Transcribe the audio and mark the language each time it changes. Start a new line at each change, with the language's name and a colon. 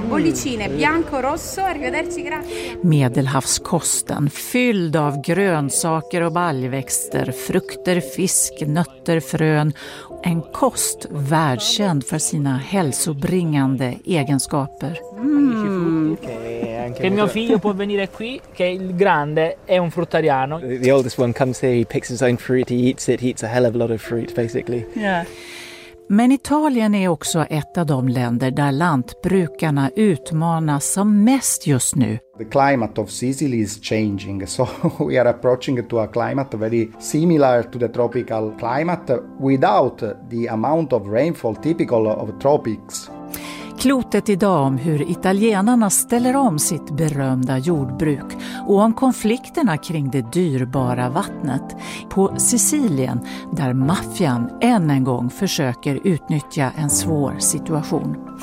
Italian: Bollicine, bianco, rosso, arrivederci, grazie.
Swedish: Medelhavskosten, fylld av grönsaker och baljväxter, frukter, fisk, nötter, frön. En kost världskänd för sina hälsobringande egenskaper.
Italian: Che mio figlio può venire qui, che il grande è un fruttariano.
English: The oldest one comes here, he picks his own fruit, he eats a hell of a lot of fruit basically. Yeah.
Swedish: Men Italien är också ett av de länder där lantbrukarna utmanas som mest just nu.
English: The climate of Sicily is changing, so we are approaching to a climate very similar to the tropical climate without the amount of rainfall typical of tropics.
Swedish: Klotet idag om hur italienarna ställer om sitt berömda jordbruk och om konflikterna kring det dyrbara vattnet på Sicilien där maffian än en gång försöker utnyttja en svår situation.